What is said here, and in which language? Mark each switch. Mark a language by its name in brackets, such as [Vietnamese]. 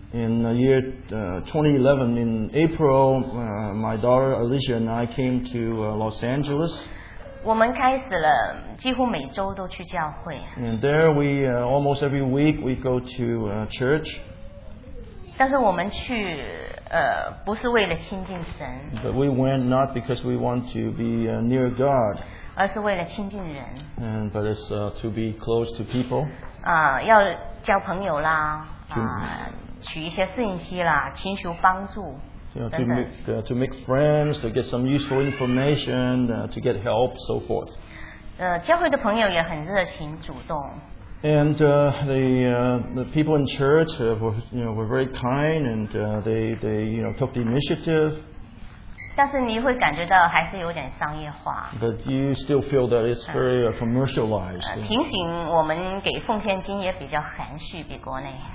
[English] In the year 2011, in April, my daughter Alicia and I came to Los Angeles. [Chinese] 我们开始了几乎每周都去教会。 [English] And there we, almost every week, we go to church. [Chinese] 但是我们去不是为了亲近神。 [English] But we went not because we want to be near God. [Chinese] 而是为了亲近人。 [English] And, but it's to be close to people. [Chinese] 要交朋友啦。取一些信息啦，寻求帮助。 [English] To make friends, to get some useful information, to get help, so forth. [Chinese] 教会的朋友也很热情主动。 [English] And the people in church were very kind and they took the initiative. [Chinese] 但是你会感觉到还是有点商业化。 [English] But you still feel that it's very commercialized. [Chinese] 提醒我们给奉献金也比较含蓄，比国内。